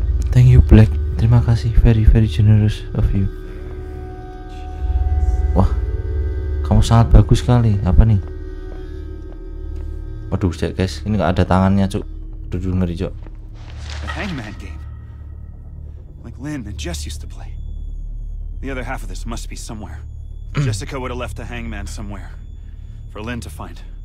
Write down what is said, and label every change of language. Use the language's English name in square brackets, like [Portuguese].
[English] Thank you Black, [Indonesian] terima kasih, [English] very very generous of you. [Indonesian] Wah, kamu sangat bagus sekali. Apa nih? Waduh cek guys, ini nggak ada tangannya cuk. Duduk ngeri cok. [English] Hangman game, like Lin and Jess used to play. The other half of this must be somewhere. Jessica would have left the hangman somewhere for Lin to find.